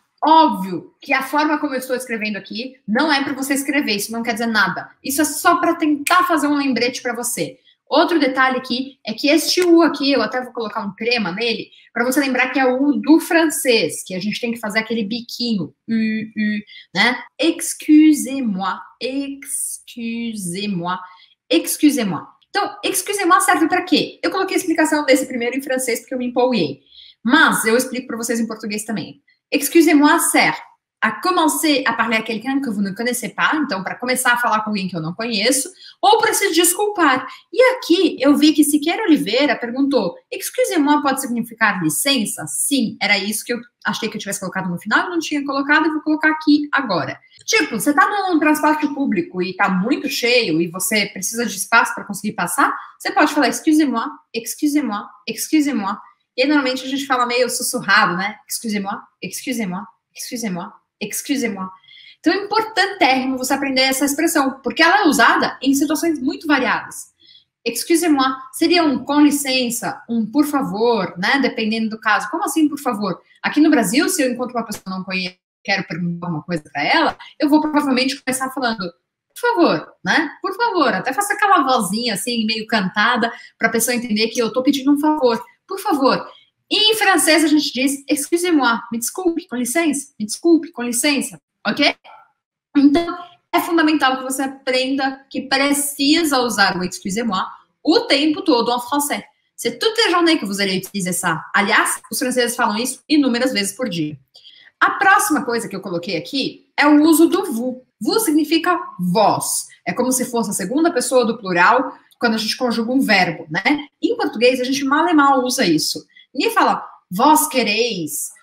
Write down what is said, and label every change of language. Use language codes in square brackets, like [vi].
[pt] Óbvio que a forma como eu estou escrevendo aqui não é para você escrever, isso não quer dizer nada. Isso é só para tentar fazer um lembrete para você. Outro detalhe aqui é que este U aqui, eu até vou colocar um trema nele, para você lembrar que é o U do francês, que a gente tem que fazer aquele biquinho. U, né? [fr] Excusez-moi, excusez-moi, excusez-moi. [pt] Então, excusez-moi serve para quê? Eu coloquei a explicação desse primeiro em francês porque eu me empolguei. Mas eu explico para vocês em português também. [fr] Excusez-moi sert à commencer à parler à quelqu'un que vous ne connaissez pas, [pt] então para começar a falar com alguém que eu não conheço, ou para se desculpar. E aqui eu vi que Siqueira Oliveira perguntou: excusez-moi pode significar licença? Sim, era isso que eu achei que eu tivesse colocado no final, eu não tinha colocado, vou colocar aqui agora. Tipo, você está num transporte público e está muito cheio e você precisa de espaço para conseguir passar, você pode falar: excusez-moi, excusez-moi, excusez-moi. E aí, normalmente a gente fala meio sussurrado, né? Excusez-moi, excusez-moi, excusez-moi, excusez-moi. Então é importantérrimo você aprender essa expressão, porque ela é usada em situações muito variadas. Excusez-moi seria um com licença, um por favor, né? Dependendo do caso. Como assim por favor? Aqui no Brasil, se eu encontro uma pessoa que não conheço, quero perguntar uma coisa para ela, eu vou provavelmente começar falando por favor, né? Por favor. Até faço aquela vozinha assim, meio cantada, para a pessoa entender que eu tô pedindo um favor. Por favor. Em francês a gente diz excusez-moi, me desculpe, com licença, me desculpe, com licença, ok? Então, é fundamental que você aprenda que precisa usar o excusez-moi o tempo todo [fr] en français. C'est toute la journée que vous allez utiliser ça. [pt] Aliás, os franceses falam isso inúmeras vezes por dia. A próxima coisa que eu coloquei aqui é o uso do vous. Vous significa vós. É como se fosse a segunda pessoa do plural, quando a gente conjuga um verbo, né? Em português, a gente mal e mal usa isso. Ninguém fala, vós quereis,